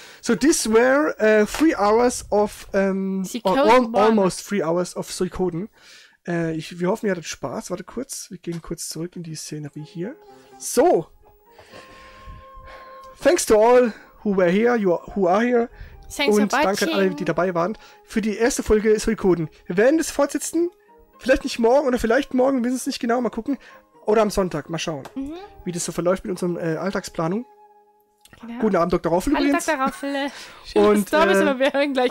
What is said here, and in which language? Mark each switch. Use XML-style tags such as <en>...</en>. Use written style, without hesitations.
<en>So this were 3 hours of almost 3 hours of Suikoden.</en> <de>Wir hoffen, ihr hattet Spaß. Warte kurz, wir gehen kurz zurück in die Szenerie hier. So.</de> <en>Thanks to all who were here, who are here. Thanks</en> <de>und danke an alle, die dabei waren, für die erste Folge Suikoden. Wir werden das fortsetzen. Vielleicht nicht morgen oder vielleicht morgen, wir wissen es nicht genau, mal gucken. Oder am Sonntag, mal schauen, wie das so verläuft mit unserem Alltagsplanung. Ja. Guten Abend, Dr. Raffel übrigens. Hallo, Dr. Raffel. Und da bist du, wir hören gleich</de>